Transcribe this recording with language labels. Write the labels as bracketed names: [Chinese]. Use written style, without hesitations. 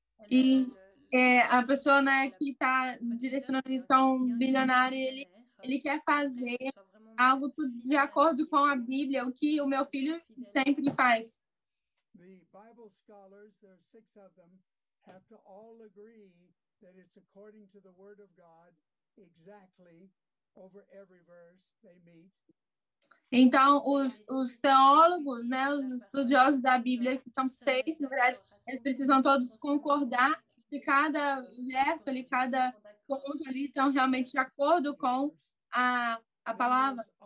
[Portuguese] E a pessoa, né, que está direcionando isso para um bilionário, ele quer fazer algo de acordo com a Bíblia, o que o meu filho sempre faz. [English] The Bible scholars, there are six of them, have to all agree that it's according to the Word of God, exactly, over every verse they meet. [Portuguese] Então, os teólogos, né, os estudiosos da Bíblia, que são seis, na verdade, eles precisam todos concordar que cada verso ali, cada ponto ali, estão realmente de acordo com a palavra.